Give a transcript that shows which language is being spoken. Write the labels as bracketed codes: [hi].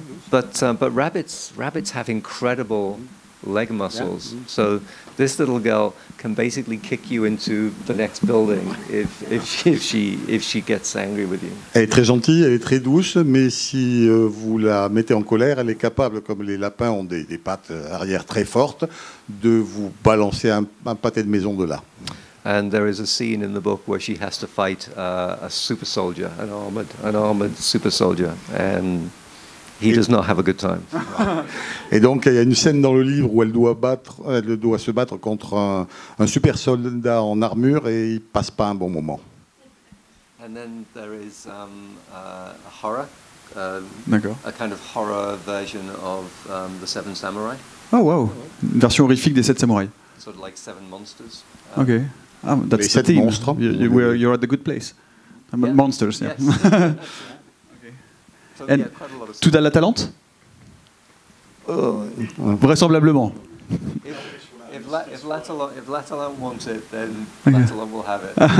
[en] but rabbits have incredible leg muscles. Yeah. So this little girl can basically kick you into the next building if she gets angry with you. [fr] Elle est très gentille, elle est très douce, mais si vous la mettez en colère, elle est capable, comme les lapins ont des pattes arrière très fortes, de vous balancer un pâté de maison de là. [en] And there is a scene in the book where she has to fight a super soldier, an armored super soldier, and he does not have a good time. [fr] Et donc il y a une scène dans le livre où elle doit se battre contre un super soldat en armure, et il passe pas un bon moment. [en] And then there is a horror, a kind of horror version of the Seven Samurai. [fr] Oh wow, une version horrifique des Sept Samouraïs. [en] Sort of like Seven Monsters. Okay. Ah, that's [fr] les sept [en] the [fr] monstres. [en] You're at the good place. Yeah. Monsters, yeah. Yes. Okay. And tout à la talente? Vraisemblablement. If Latalant wants it, then Latalant will have it.